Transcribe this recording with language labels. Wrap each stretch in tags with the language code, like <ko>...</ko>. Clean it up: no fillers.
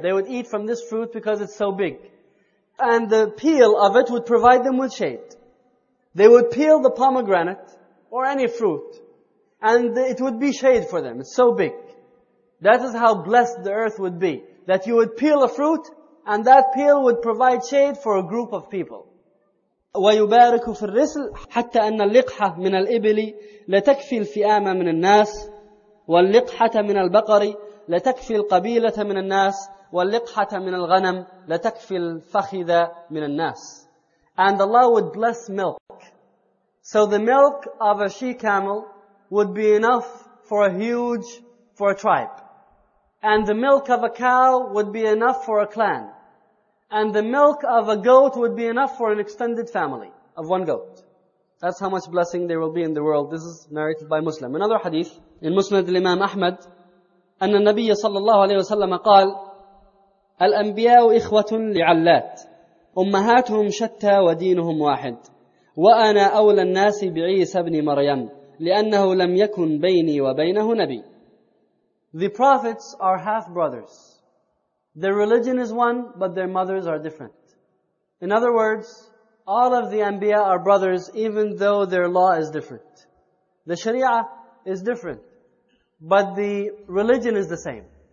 <en>They would eat from this fruit because it's so big. And the peel of it would provide them with shade. They would peel the pomegranate or any fruit, and it would be shade for them. It's so big. That is how blessed the earth would be. That you would peel a fruit, and that peel would provide shade for a group of people.</en> <ar>ويبارك في الرسل حتى أن اللقحة من الإبل لتكفي الفئام من الناس واللقحة من البقر لتكفي القبيلة من الناس واللقحة من الغنم لتكفي الفخذة من الناس.</ar> <en>And Allah would bless milk. So the milk of a she-camel would be enough for a huge, for a tribe. And the milk of a cow would be enough for a clan. And the milk of a goat would be enough for an extended family of one goat. That's how much blessing there will be in the world. This is narrated by Muslim. Another hadith,</en> <ar>in Musnad al-Imam Ahmad, أن النبي صلى الله عليه وسلم قال الأنبياء إخوة لعلات أمهاتهم شتى ودينهم واحد وأنا أولى الناس بعيسى بن مريم لأنه لم يكن بيني وبينه نبي.</ar> <en>The prophets are half brothers. Their religion is one, but their mothers are different. In other words, all of the Anbiya are brothers, even though their law is different. The Sharia is different, but the religion is the same.</en>